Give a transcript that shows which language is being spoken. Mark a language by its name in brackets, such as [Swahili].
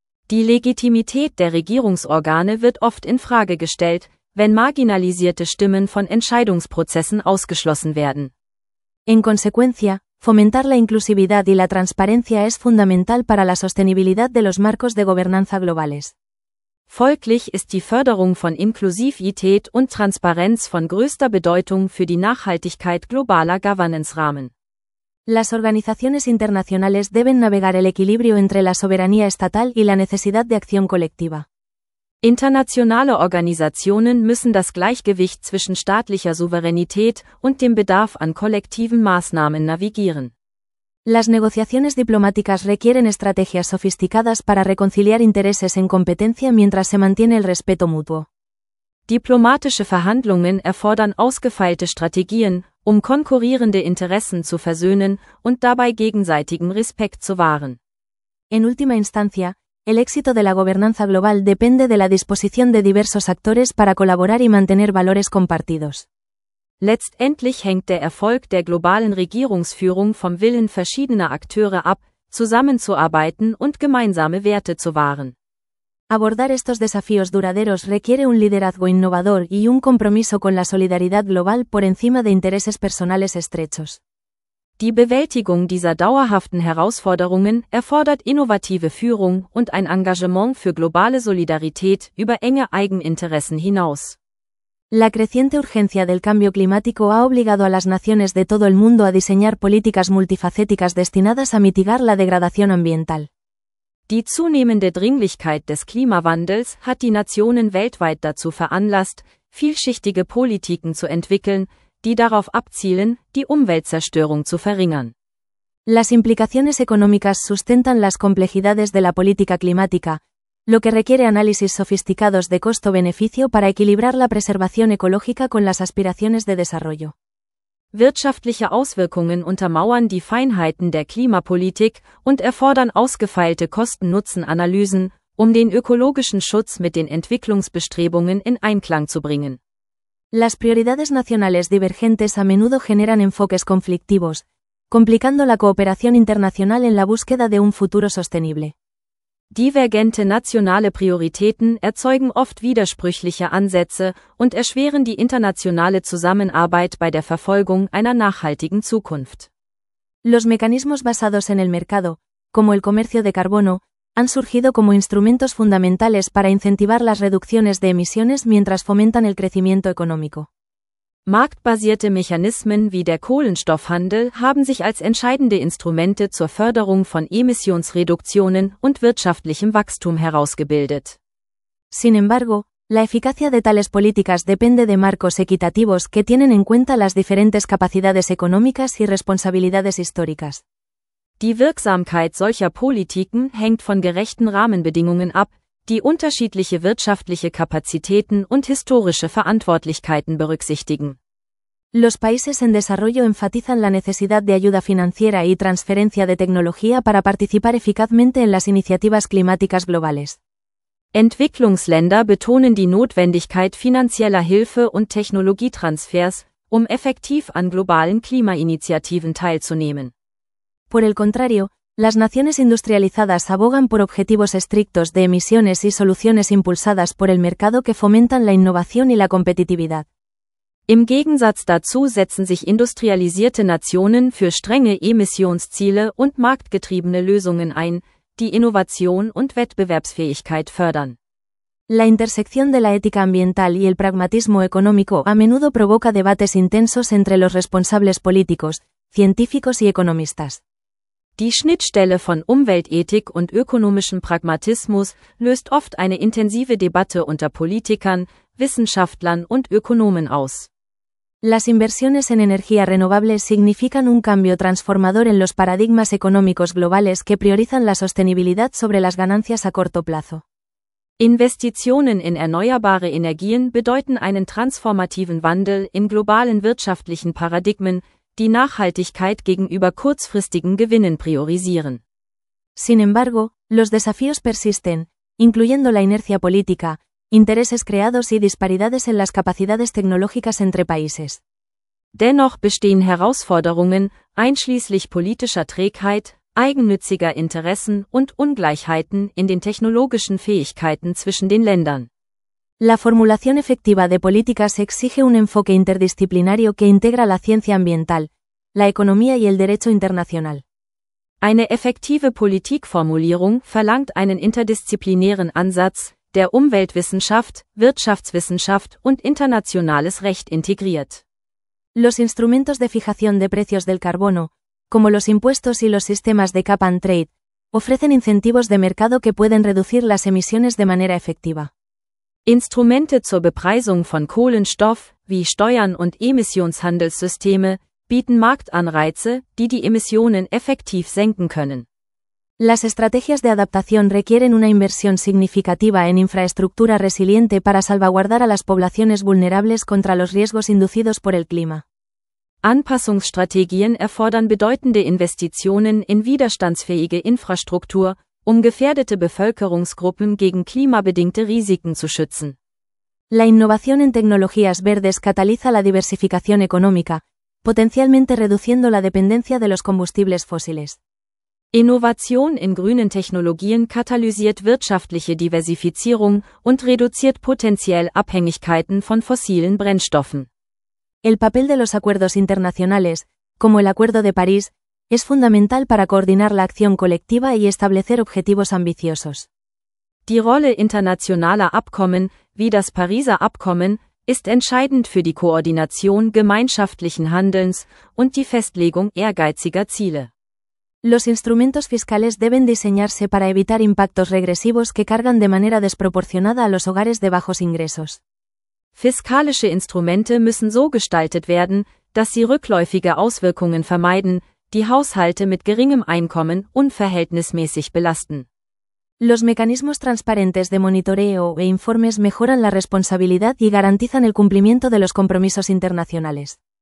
[German] Die Legitimität der Regierungsorgane wird oft in Frage gestellt, wenn marginalisierte Stimmen von Entscheidungsprozessen ausgeschlossen werden. [Spanish] En consecuencia, fomentar la inclusividad y la transparencia es fundamental para la sostenibilidad de los marcos de gobernanza globales. [German] Folglich ist die Förderung von Inklusivität und Transparenz von größter Bedeutung für die Nachhaltigkeit globaler Governance-Rahmen. [Spanish] Las organizaciones internacionales deben navegar el equilibrio entre la soberanía estatal y la necesidad de acción colectiva. [German] Internationale Organisationen müssen das Gleichgewicht zwischen staatlicher Souveränität und dem Bedarf an kollektiven Maßnahmen navigieren. [Spanish] Las negociaciones diplomáticas requieren estrategias sofisticadas para reconciliar intereses en competencia mientras se mantiene el respeto mutuo. [German] Diplomatische Verhandlungen erfordern ausgefeilte Strategien, um konkurrierende Interessen zu versöhnen und dabei gegenseitigen Respekt zu wahren. [Spanish] En última instancia, el éxito de la gobernanza global depende de la disposición de diversos actores para colaborar y mantener valores compartidos. [German] Letztendlich hängt der Erfolg der globalen Regierungsführung vom Willen verschiedener Akteure ab, zusammenzuarbeiten und gemeinsame Werte zu wahren. [Spanish] Abordar estos desafíos duraderos requiere un liderazgo innovador y un compromiso con la solidaridad global por encima de intereses personales estrechos. [German] Die Bewältigung dieser dauerhaften Herausforderungen erfordert innovative Führung und ein Engagement für globale Solidarität über enge Eigeninteressen hinaus. [Spanish] La creciente urgencia del cambio climático ha obligado a las naciones de todo el mundo a diseñar políticas multifacéticas destinadas a mitigar la degradación ambiental. [German] Die zunehmende Dringlichkeit des Klimawandels hat die Nationen weltweit dazu veranlasst, vielschichtige Politiken zu entwickeln, die darauf abzielen, die Umweltzerstörung zu verringern. [Spanish] Las implicaciones económicas sustentan las complejidades de la política climática, lo que requiere análisis sofisticados de costo-beneficio para equilibrar la preservación ecológica con las aspiraciones de desarrollo. [German] Wirtschaftliche Auswirkungen untermauern die Feinheiten der Klimapolitik und erfordern ausgefeilte Kosten-Nutzen-Analysen, um den ökologischen Schutz mit den Entwicklungsbestrebungen in Einklang zu bringen. [Spanish] Las prioridades nacionales divergentes a menudo generan enfoques conflictivos, complicando la cooperación internacional en la búsqueda de un futuro sostenible. [German] Divergente nationale Prioritäten erzeugen oft widersprüchliche Ansätze und erschweren die internationale Zusammenarbeit bei der Verfolgung einer nachhaltigen Zukunft. [Spanish] Los mecanismos basados en el mercado, como el comercio de carbono, han surgido como instrumentos fundamentales para incentivar las reducciones de emisiones mientras fomentan el crecimiento económico. [German] Marktbasierte Mechanismen wie der Kohlenstoffhandel haben sich als entscheidende Instrumente zur Förderung von Emissionsreduktionen und wirtschaftlichem Wachstum herausgebildet. [Spanish] Sin embargo, la eficacia de tales políticas depende de marcos equitativos que tienen en cuenta las diferentes capacidades económicas y responsabilidades históricas. [German] Die Wirksamkeit solcher Politiken hängt von gerechten Rahmenbedingungen ab, die unterschiedliche wirtschaftliche Kapazitäten und historische Verantwortlichkeiten berücksichtigen. [Spanish] Los países en desarrollo enfatizan la necesidad de ayuda financiera y transferencia de tecnología para participar eficazmente en las iniciativas climáticas globales. [German] Entwicklungsländer betonen die Notwendigkeit finanzieller Hilfe und Technologietransfers, um effektiv an globalen Klimainitiativen teilzunehmen. [Spanish] Por el contrario, las naciones industrializadas abogan por objetivos estrictos de emisiones y soluciones impulsadas por el mercado que fomentan la innovación y la competitividad. [German] Im Gegensatz dazu setzen sich industrialisierte Nationen für strenge Emissionsziele und marktgetriebene Lösungen ein, die Innovation und Wettbewerbsfähigkeit fördern. [Spanish] La intersección de la ética ambiental y el pragmatismo económico a menudo provoca debates intensos entre los responsables políticos, científicos y economistas. [German] Die Schnittstelle von Umweltethik und ökonomischem Pragmatismus löst oft eine intensive Debatte unter Politikern, Wissenschaftlern und Ökonomen aus. [Spanish] Las inversiones en energía renovable significan un cambio transformador en los paradigmas económicos globales que priorizan la sostenibilidad sobre las ganancias a corto plazo. [German] Investitionen in erneuerbare Energien bedeuten einen transformativen Wandel in globalen wirtschaftlichen Paradigmen, die Nachhaltigkeit gegenüber kurzfristigen Gewinnen priorisieren. [Spanish] Sin embargo, los desafíos persisten, incluyendo la inercia política, intereses creados y disparidades en las capacidades tecnológicas entre países. [German] Dennoch bestehen Herausforderungen, einschließlich politischer Trägheit, eigennütziger Interessen und Ungleichheiten in den technologischen Fähigkeiten zwischen den Ländern. [Spanish] La formulación efectiva de políticas exige un enfoque interdisciplinario que integra la ciencia ambiental, la economía y el derecho internacional. [German] Eine effektive Politikformulierung verlangt einen interdisziplinären Ansatz, der Umweltwissenschaft, Wirtschaftswissenschaft und internationales Recht integriert. [Spanish] Los instrumentos de fijación de precios del carbono, como los impuestos y los sistemas de cap and trade, ofrecen incentivos de mercado que pueden reducir las emisiones de manera efectiva. [German] Instrumente zur Bepreisung von Kohlenstoff, wie Steuern und Emissionshandelssysteme, bieten Marktanreize, die die Emissionen effektiv senken können. [Spanish] Las estrategias de adaptación requieren una inversión significativa en infraestructura resiliente para salvaguardar a las poblaciones vulnerables contra los riesgos inducidos por el clima. [German] Anpassungsstrategien erfordern bedeutende Investitionen in widerstandsfähige Infrastruktur, um gefährdete Bevölkerungsgruppen gegen klimabedingte Risiken zu schützen. [Spanish] La innovación en tecnologías verdes cataliza la diversificación económica, potencialmente reduciendo la dependencia de los combustibles fósiles. [German] Innovation in grünen Technologien katalysiert wirtschaftliche Diversifizierung und reduziert potenziell Abhängigkeiten von fossilen Brennstoffen. [Spanish] El papel de los acuerdos internacionales, como el Acuerdo de París, es fundamental para coordinar la acción colectiva y establecer objetivos ambiciosos. [German] Die Rolle internationaler Abkommen, wie das Pariser Abkommen, ist entscheidend für die Koordination gemeinschaftlichen Handelns und die Festlegung ehrgeiziger Ziele. [Spanish] Los instrumentos fiscales deben diseñarse para evitar impactos regresivos que cargan de manera desproporcionada a los hogares de bajos ingresos. [German] Fiskalische Instrumente müssen so gestaltet werden, dass sie rückläufige Auswirkungen vermeiden, die Haushalte mit geringem Einkommen unverhältnismäßig belasten. [Spanish] Los mecanismos transparentes de monitoreo e informes mejoran la responsabilidad y garantizan el cumplimiento de los compromisos internacionales.